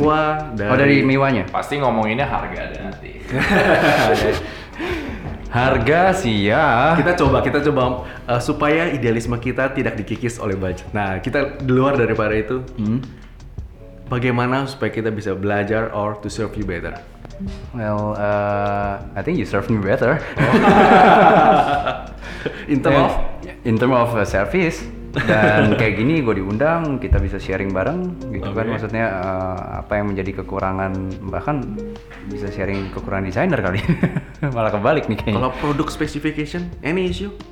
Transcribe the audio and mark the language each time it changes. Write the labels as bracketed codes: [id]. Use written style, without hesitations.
[id] Miwa dari... Oh dari Miwanya pasti ngomonginnya harga ada nanti. Harga sih ya. Kita coba supaya idealisme kita tidak dikikis oleh budget. Nah, kita di luar daripada itu. Bagaimana supaya kita bisa belajar [en] or to serve you better? Well, I think you serve me better. Oh. In term of service. [id] Dan kayak gini gue diundang, kita bisa sharing bareng gitu okay. Kan maksudnya apa yang menjadi kekurangan, bahkan bisa sharing kekurangan desainer kali. Malah kebalik nih kayaknya. Kalau [en] product specification, any issue?